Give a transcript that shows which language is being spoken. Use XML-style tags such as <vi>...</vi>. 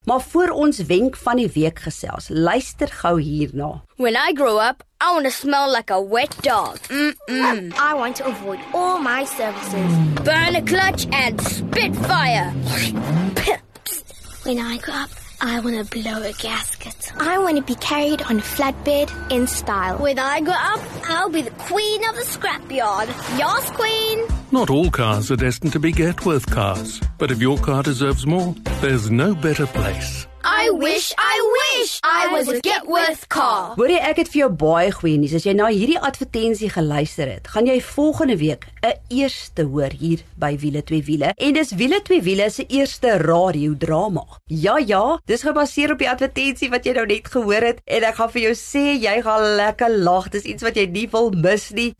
<af>Maar voor ons wenk van die week gesels, luister gou hierna.</af> <en>When I grow up, I want to smell like a wet dog. Mm-mm. I want to avoid all my services. Burn a clutch and spit fire. When I grow up, I want to blow a gasket. I want to be carried on a flatbed in style. When I grow up, I'll be the queen of the scrapyard. Yas, queen! Not all cars are destined to be Getworth cars. But if your car deserves more, there's no better place. I wish I was a Getworth car.</en> <af>Hoorie, ek het vir jou baie goeie nuus. As jy na hierdie advertensie geluister het, gaan jy volgende week 'n eerste hoor hier by Wiele2Wiele. En dis Wiele2Wiele se eerste radiodrama. Ja, ja, dis gebaseer op die advertensie wat jy nou net gehoor het. En ek gaan vir jou sê, jy gaan lekker lag. Dis iets wat jy nie wil mis nie.</af>